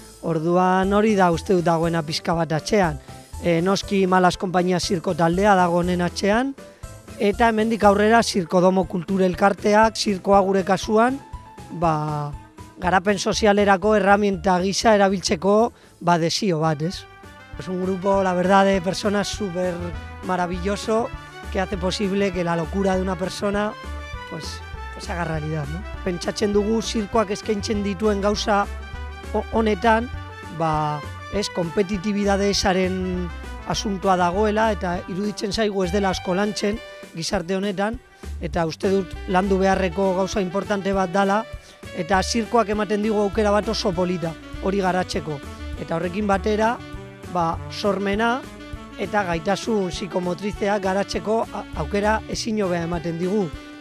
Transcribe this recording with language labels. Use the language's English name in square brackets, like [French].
[Basque] Orduan hori da uste dut dagoena pixka bat atxean. Noski Malas Konpainia zirko taldea dago honen atxean, eta hemendik aurrera zirkodomo kultura elkarteak, zirkoa gure kasuan, ba, garapen sozialerako erramienta gisa erabiltzeko ba, desio bat, ez? [Spanish] Es un grupo, la verdad, de personas súper maravilloso que hace posible que la locura de una persona pues haga realidad, ¿no? [Basque] Pentsatzen dugu zirkoak eskaintzen dituen gauza honetan, ba, es kompetitibitate esaren asuntua dagoela eta iruditzen zaigu ez dela asko lantzen gizarte honetan eta uste dut landu beharreko gauza importante bat dala eta zirkoak ematen digu aukera bat oso polita hori garatzeko eta horrekin batera ba, sormena eta gaitasun psikomotrizea garatzeko aukera ezin hobea ematen digu.